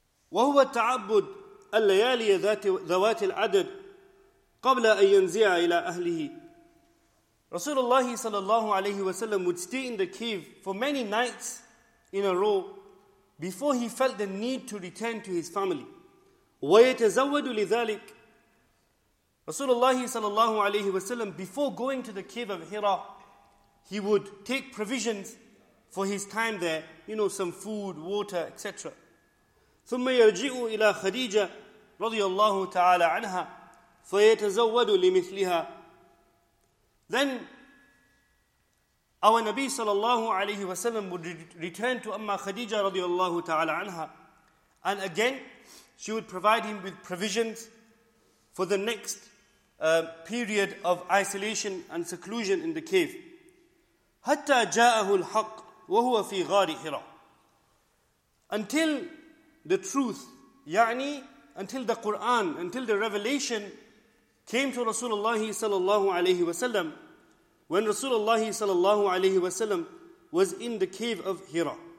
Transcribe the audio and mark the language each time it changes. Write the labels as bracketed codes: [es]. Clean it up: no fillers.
[ar] وهو تعبد الليالي ذوات العدد قبل أن ينزع إلى أهله. [en] Rasulullah sallallahu alayhi wa sallam would stay in the cave for many nights in a row before he felt the need to return to his family. [ar] ويتزود لذلك. [en] Rasulullah sallallahu alayhi wa sallam, before going to the cave of Hira, he would take provisions for his time there, you know, some food, water, etc. [ar] ثم يرجع إلى خديجة رضي الله تعالى عنها فيتزود لمثلها. [en] Then our Nabi sallallahu alayhi wa sallam would return to Amma Khadija [ar] رضي الله تعالى عنها, [en] and again she would provide him with provisions for the next period of isolation and seclusion in the cave. [ar] حتى جاءه الحق وهو في غار حراء. [en] Until the truth, [ar] يعني, [en] until the Quran, until the revelation came to Rasulullah sallallahu alayhi wa sallam, when Rasulullah sallallahu alayhi wa sallam was in the cave of Hira.